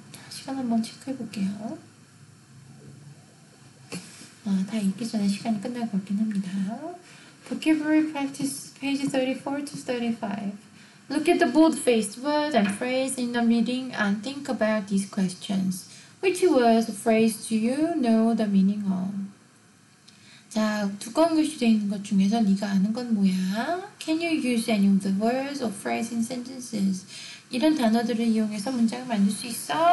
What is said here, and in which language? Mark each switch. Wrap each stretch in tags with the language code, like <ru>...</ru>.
<ko>시간 한번 체크해 볼게요. 다 읽기 전에 시간이 끝날 것 같긴 합니다.</ko> <en>Vocabulary practice, page 34 to 35. Look at the bold-faced word and phrase in the meeting and think about these questions. Which words or phrase do you know the meaning of?</en> <ko>자, 두꺼운 글씨 되어 있는 것 중에서 네가 아는 건 뭐야?</ko> <en>Can you use any of the words or phrase in sentences?</en> <ko>이런 단어들을 이용해서 문장을 만들 수 있어?</ko>